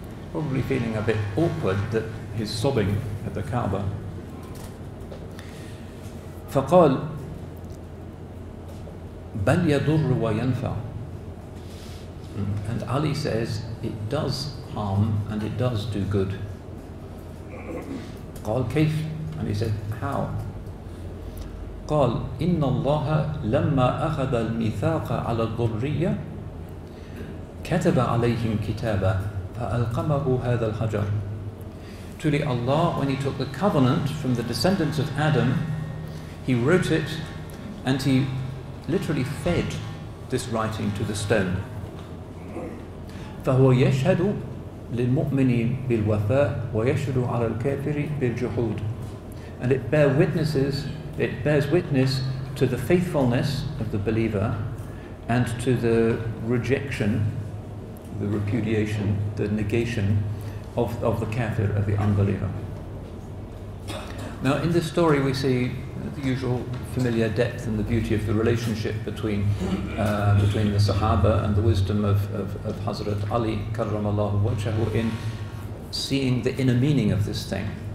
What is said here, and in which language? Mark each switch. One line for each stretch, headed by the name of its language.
English: Probably feeling a bit awkward that he's sobbing at the Kaaba.
Arabic: فقال بل يضر وينفع.
English: And Ali says, it does harm and it does do good.
Arabic: قال كيف.
English: And he said, how?
Arabic: قال إن الله لما أخذ الميثاق على الضرية كتب عليهم كتابا فألقمه هذا الحجر.
English: Truly Allah, when he took the covenant from the descendants of Adam, he wrote it and he literally fed this writing to the stone.
Arabic: فهو يشهد للمؤمن بالوفاء ويشهد على الكافر بالجحود.
English: And it bear witnesses, it bears witness to the faithfulness of the believer and to the rejection, the repudiation, the negation of the kafir, of the unbeliever. Now in this story we see the usual familiar depth and the beauty of the relationship between the Sahaba and the wisdom of Hazrat Ali karramallahu wajhahu in seeing the inner meaning of this thing.